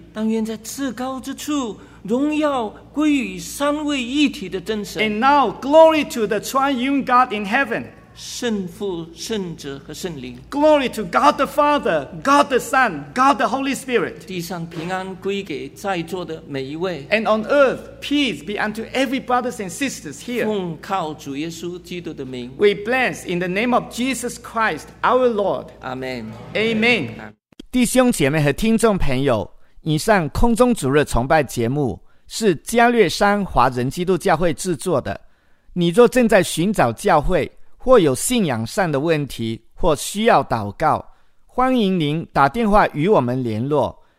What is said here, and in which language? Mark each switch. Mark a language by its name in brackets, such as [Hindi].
[Chinese] 但愿在至高之处荣耀归于三位一体的真神 [English] And now glory to the triune God in heaven [Chinese] 圣父、圣子和圣灵。 [English] Glory to God the Father, God the Son, God the Holy Spirit. [Chinese] 地上平安归给在座的每一位。 [English] And on earth, peace be unto every brothers and sisters here. [Chinese] 奉靠主耶稣基督的名。 [English] We bless in the name of Jesus Christ, our Lord. Amen. Amen. [Chinese] 弟兄姐妹和听众朋友，以上空中主日崇拜节目是嘉略山华人基督教会制作的。你若正在寻找教会，或有信仰上的问题，或需要祷告，欢迎您打电话与我们联络。